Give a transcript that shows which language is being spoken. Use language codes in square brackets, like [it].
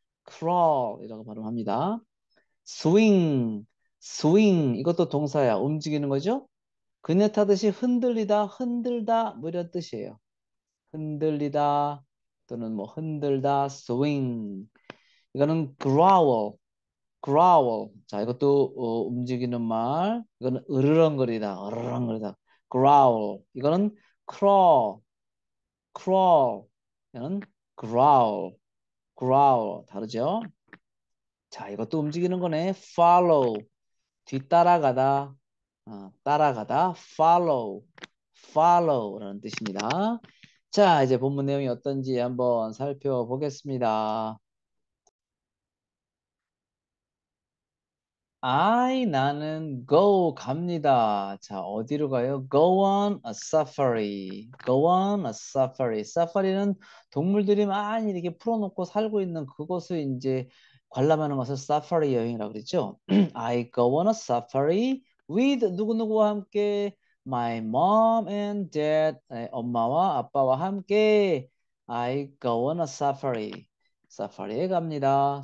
[ko] Crawl이라고 발음합니다. [en] Swing. [ko] Swing 이것도 동사야. 움직이는 거죠? 그네 타듯이 흔들리다, 흔들다 뭐 이런 뜻이에요. 흔들리다 또는 뭐 흔들다, swing. [en] 이거는 growl, growl. [ko] 자, 이것도 움직이는 말. 이거는 으르렁거리다, 으르렁거리다. [en] growl. 이거는 crawl, crawl. 이거는 growl, growl. [ko] 다르죠? 자, 이것도 움직이는 거네. [en] follow. [ko] 뒤따라가다, 따라가다, follow, follow라는 뜻입니다. 자, 이제 본문 내용이 어떤지 한번 살펴보겠습니다. I, 나는 go 갑니다. 자, 어디로 가요? [en] Go on a safari. Go on a safari. [ko] Safari는 동물들이 많이 이렇게 풀어놓고 살고 있는 그곳을 이제 관람하는 것을 사파리 여행이라고 그랬죠. [en] I go on a safari with [ko] 누구누구와 함께 [en] my mom and dad [ko] 엄마와 아빠와 함께 [en] I go on a safari [ko] 사파리에 갑니다.